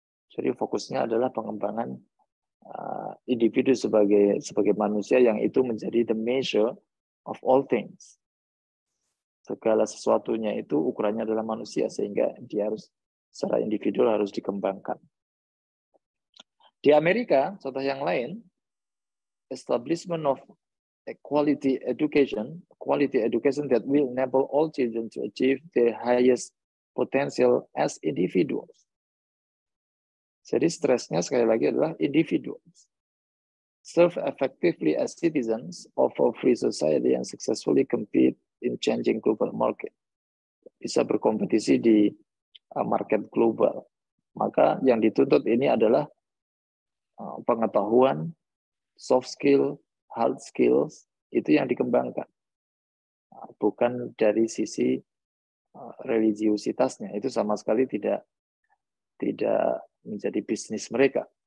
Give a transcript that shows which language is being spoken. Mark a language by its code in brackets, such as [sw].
[id] Jadi fokusnya adalah pengembangan individu sebagai manusia yang itu menjadi [en] the measure of all things. [id] Segala sesuatunya itu ukurannya adalah manusia, sehingga dia harus secara individu harus dikembangkan. Di Amerika, contoh yang lain, [en] establishment of quality education that will enable all children to achieve their highest potential as individuals. [id] Jadi stresnya sekali lagi adalah individuals. [en] Serve effectively as citizens of a free society and successfully compete in changing global market. [id] Bisa berkompetisi di market global. Maka yang dituntut ini adalah pengetahuan, soft skill, hard skills, itu yang dikembangkan. Bukan dari sisi religiositasnya. Itu sama sekali tidak menjadi bisnis mereka.